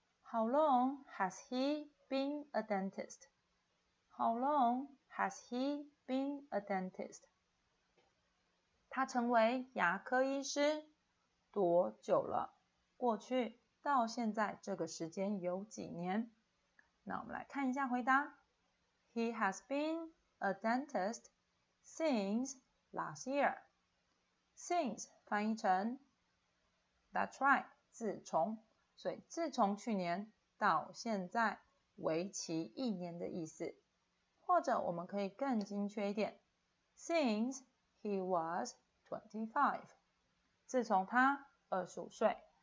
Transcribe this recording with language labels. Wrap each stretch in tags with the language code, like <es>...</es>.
<en>How long has he been a dentist? How long has he been a dentist?</en> <zh>他成为牙科医师多久了？过去到现在这个时间有几年？那我们来看一下回答。</zh> <en>He has been a dentist since last year.</en> <zh>Since 翻译成</zh> <en>That's right,</en> <zh>自从。所以自从去年到现在，为期一年的意思。或者我们可以更精确一点，</zh> <en>since he was 25，</en> <zh>自从他25岁。</zh>